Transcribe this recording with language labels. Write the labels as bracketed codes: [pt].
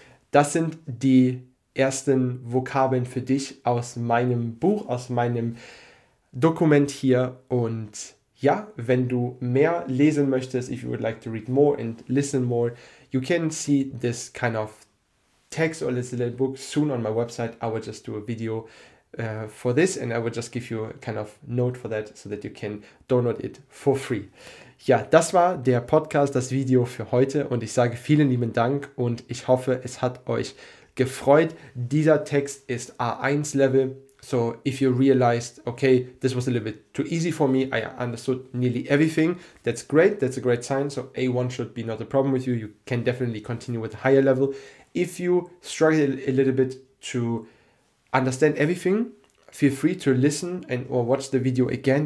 [de] Das sind die ersten Vokabeln für dich aus meinem Buch, aus meinem Dokument hier und ja, wenn du mehr lesen möchtest, [en] if you would like to read more and listen more, you can see this kind of text or this little book soon on my website. I will just do a video for this and I will just give you a kind of note for that, so that you can download it for free. [de] Ja, das war der Podcast, das Video für heute und ich sage vielen lieben Dank und ich hoffe, es hat euch gefreut. Dieser Text ist A1 Level. [en] So if you realized, okay, this was a little bit too easy for me, I understood nearly everything, that's great, that's a great sign. So A1 should be not a problem with you, you can definitely continue with a higher level. If you struggle a little bit to understand everything, feel free to listen and or watch the video again.